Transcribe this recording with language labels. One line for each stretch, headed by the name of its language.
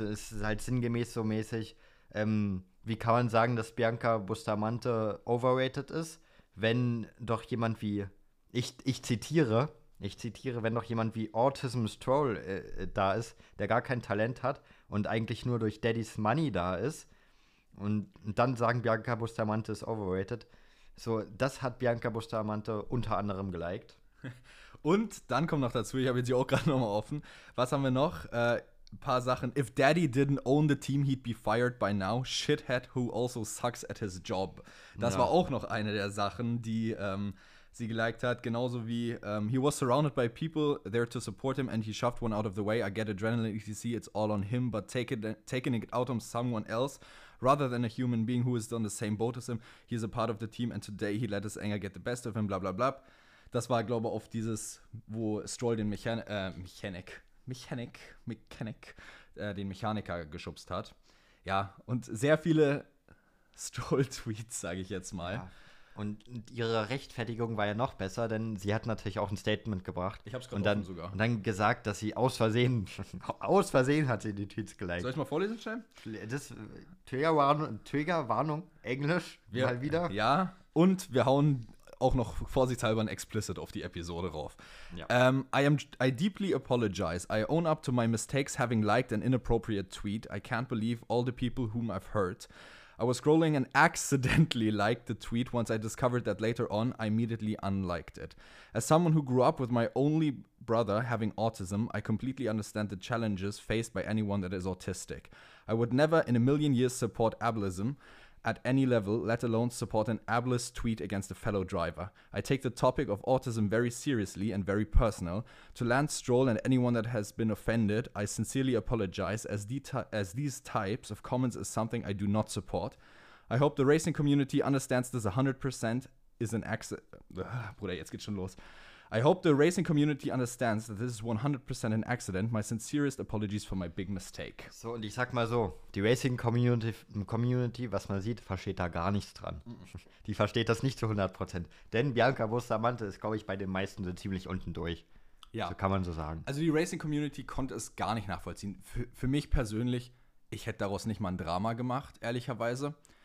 German: Es ist halt sinngemäß so mäßig, wie kann man sagen, dass Bianca Bustamante overrated ist, wenn doch jemand wie, ich zitiere, wenn doch jemand wie Autism Stroll da ist, der gar kein Talent hat und eigentlich nur durch Daddy's Money da ist. Und dann sagen Bianca Bustamante ist overrated. So, das hat Bianca Bustamante unter anderem geliked. Und dann kommt noch dazu, ich habe jetzt die auch gerade nochmal offen. Was haben wir noch? Ein paar Sachen.
English: If Daddy didn't own the team, he'd be fired by now. Shithead who also sucks at his job.
German: Das war auch noch eine der Sachen, die sie geliked hat. Genauso wie,
English: he was surrounded by people there to support him and he shoved one out of the way. I get adrenaline, you see, it's all on him, but taking it out on someone else. Rather than a human being who is on the same boat as him, he is a part of the team and today he let his anger get the best of him, bla bla bla.
German: Das war, glaube ich, auf dieses, wo Stroll den den Mechaniker geschubst hat. Ja, und sehr viele Stroll-Tweets, sage ich jetzt mal. Ja. Und ihre Rechtfertigung war ja noch besser, denn sie hat natürlich auch ein Statement gebracht. Ich hab's gerade sogar. Und dann gesagt, dass sie aus Versehen hat sie die Tweets geliked. Soll ich mal vorlesen, Schein? Das Triggerwarnung, Englisch, mal wieder. Ja, und wir hauen auch noch vorsichtshalber ein Explicit auf die Episode rauf.
English: Ja. I deeply apologize. I own up to my mistakes having liked an inappropriate tweet. I can't believe all the people whom I've hurt. I was scrolling and accidentally liked the tweet. Once I discovered that later on, I immediately unliked it. As someone who grew up with my only brother having autism, I completely understand the challenges faced by anyone that is autistic. I would never in a million years support ableism at any level, let alone support an ableist tweet against a fellow driver. I take the topic of autism very seriously and very personal. To Lance Stroll and anyone that has been offended, I sincerely apologize as these types of comments is something I do not support. I hope the racing community understands this 100% is an accident.
German: Bruder, jetzt geht's schon los.
English: I hope the racing community understands that this is 100% an accident. My sincerest apologies for my big mistake.
German: So, und ich sag mal so, die racing community, was man sieht, versteht da gar nichts dran. Die versteht das nicht zu 100%. Denn Bianca Bustamante ist, glaube ich, bei den meisten so ziemlich unten durch. Ja. So kann man so sagen. Also die racing community konnte es gar nicht nachvollziehen. Für mich persönlich, ich hätte daraus nicht mal ein Drama gemacht, ehrlicherweise.